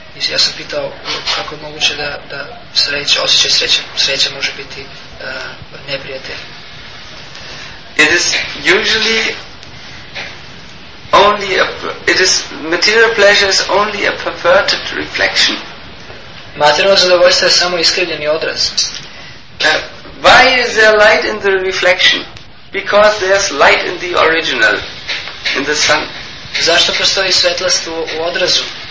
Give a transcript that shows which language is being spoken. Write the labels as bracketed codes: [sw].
[sr] Ja sam pitao kako je moguće da sreća, osjećaj sreće može biti neprijatelj. [en] It is usually only material pleasure is only a perverted reflection. [sr] Materijalno zadovoljstvo je samo iskrivljeni odraz. [en] Why is there light in the reflection? Because there's light in the original, in the sun. [sr] Zašto postoji svetlost u odrazu?